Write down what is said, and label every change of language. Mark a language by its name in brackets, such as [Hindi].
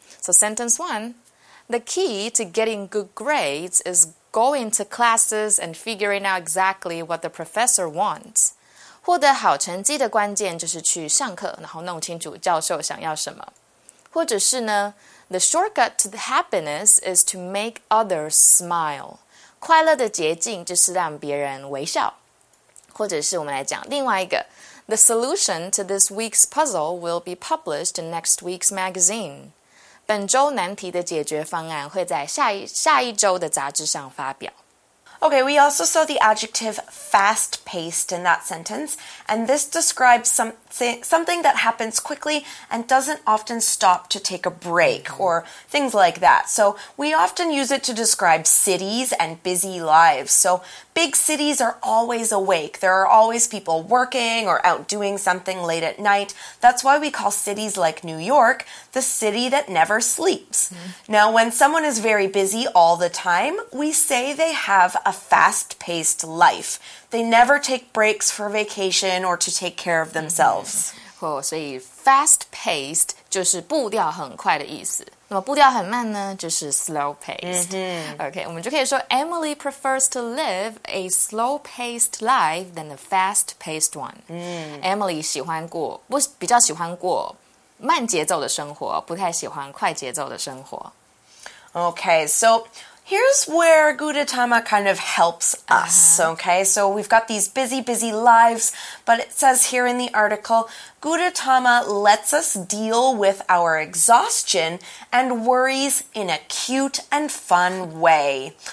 [English] So sentence one, the key to getting good grades is going to classes and figuring out exactly what the professor wants. [Chinese] 获得好成绩的关键就是去上课，然后弄清楚教授想要什么。或者是呢 [English] The shortcut to happiness is to make others smile. [Chinese] 快乐的捷径就是让别人微笑。或者是我们来讲另外一个 [English] The solution to this week's puzzle will be published in next week's magazine. [Chinese] 本周难题的解决方案会在下一周的杂志上发表。 [English] Okay, we also saw the adjective fast-paced in that sentence, and this describes something that happens quickly and doesn't often stop to take a break, or things like that. So we often use it to describe cities and busy lives. So big cities are always awake. There are always people working or out doing something late at night. That's why we call cities like New York the city that never sleeps. Now, when someone is very busy all the time, we say they have a fast-paced life. They never take breaks for vacation or to take care of themselves. [Chinese] Mm-hmm. Oh, 所以 fast-paced 就是步调很快的意思。那么步调很慢呢，就是 slow-paced. Mm-hmm. [English] Okay, [Chinese] 我们就可以说 [English] Emily prefers to live a slow-paced life than a fast-paced one. Mm. [Chinese] Emily 喜欢过，不，比较喜欢过慢节奏的生活，不太喜欢快节奏的生活。 [English] Okay, so... Here's where Gudetama kind of helps us, okay? So we've got these busy lives, but it says here in the article, Gudetama lets us deal with our exhaustion and worries in a cute and fun way.